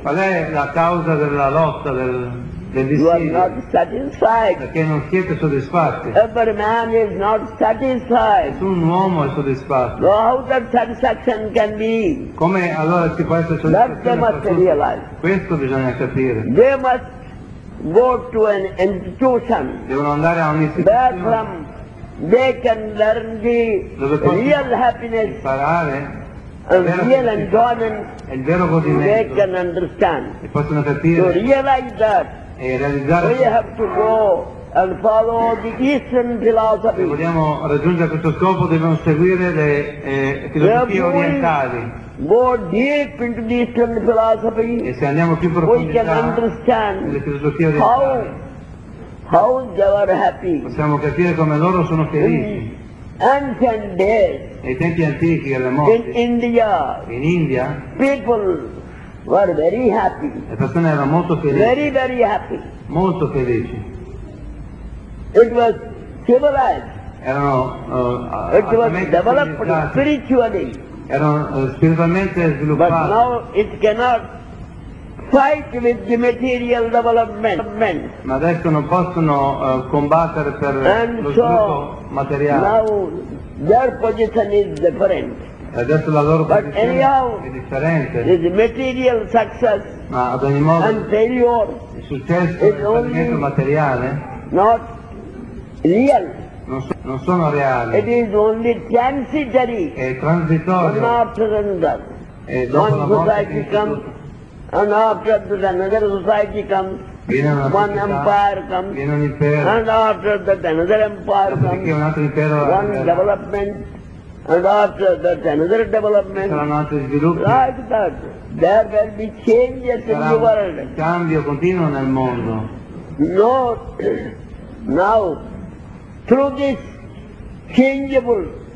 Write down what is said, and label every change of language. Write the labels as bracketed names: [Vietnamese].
[Italian] Qual è la causa della lotta, del dissidio? [English] You are not satisfied. [Italian] Perché non siete soddisfatti. [English] Every man is not satisfied. [Italian] Nessun uomo è soddisfatto. [English] So how that satisfaction can be? [Italian] Come allora si può essere soddisfatti? Questo bisogna capire. [English] They must go to an institution. [Italian] Devono andare a un'istituzione. [English] They can learn the real happiness [Italian] imparare, [English] and real enjoyment [Italian] il vero godimento, [English] they can understand. [Italian] E possono capire. [English] To realize that [Italian] e realizzare [English] we have to go and follow the Eastern philosophy. [Italian] Se vogliamo raggiungere questo scopo dobbiamo seguire le filosofie orientali. [English] Go deep into the Eastern philosophy [Italian] e se andiamo più profondità [English] we can understand [Italian] le filosofie orientali. [English] How they were happy. [Italian] Possiamo capire come loro sono felici. [English] In ancient days, [Italian] nei tempi antichi, alle morti, [English] in India, people were very happy. [Italian] Le persone erano molto felici. [English] Very, very happy. [Italian] Molto felici. [English] It was civilized. [Italian] Erano [English] it was developed spiritually. [Italian] Erano spiritualmente sviluppati. [English] But now it cannot fight with the material development. [Italian] Ma adesso non possono combattere per [English] and [Italian] lo [English] so [Italian] sviluppo materiale. [English] Now their position is different. [Italian] Adesso la loro [English] but [Italian] posizione [English] anyhow, [Italian] è differente. [English] Is material success [Italian] ma ad ogni modo [English] and failure [Italian] il successo è fallimento materiale [English] not real. [Italian] Non sono reali. [English] It is only transitory. [Italian] È transitorio. [English] Not render. [Italian] E dopo la [English] morte and after that another society comes, [Italian] viene una [English] one [Italian] società, [English] empire comes, [Italian] viene un impero, [English] and after that another empire comes, [Italian] un altro impero, [English] one development, and after that another development, [Italian] saranno altri sviluppi. [English] Like that, there will be changes [Italian] sarà [English] in the world. [Italian] Un cambio continuo nel mondo. [English] No, now, through this changeable